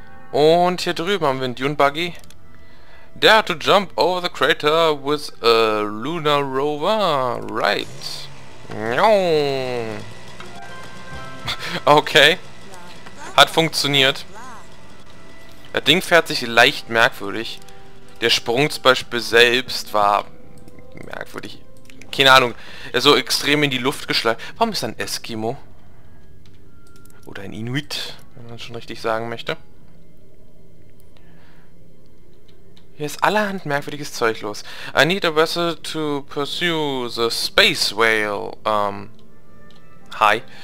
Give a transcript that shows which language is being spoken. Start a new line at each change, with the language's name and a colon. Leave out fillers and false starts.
German: Und hier drüben haben wir einen Dune Buggy.
English: Dare to jump over the crater with a lunar rover. Right.
German: Okay. Hat funktioniert. Das Ding fährt sich leicht merkwürdig. Der Sprung zum Beispiel selbst war merkwürdig. Keine Ahnung. Er ist so extrem in die Luft geschlagen. Warum ist er ein Eskimo? Oder ein Inuit, wenn man schon richtig sagen möchte. Hier ist allerhand merkwürdiges Zeug los.
English: I need a vessel to pursue the space whale. Hi.